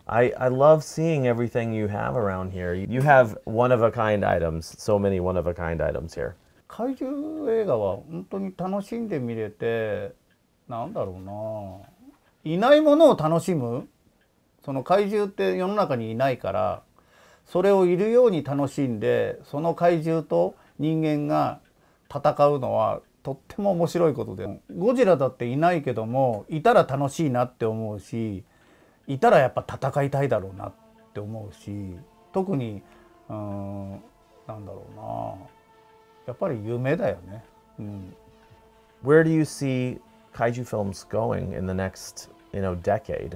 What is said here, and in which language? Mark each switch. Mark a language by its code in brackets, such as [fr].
[en] I love seeing everything you have around here. You have one-of-a-kind items, so many one-of-a-kind items here. [ja] Kaiju映画は本当に楽しんで見れて、なんだろうな。いないものを楽しむ。その怪獣って世の中にいないから、それをいるように楽しんで、その怪獣と人間が戦うのは、 とっても面白いことで、ゴジラだっていないけども、いたら楽しいなって思うし、いたらやっぱ戦いたいだろうなって思うし、特に、なんだろうな、やっぱり夢だよね。 [en] Where do you see kaiju films going in the next, you know, decade?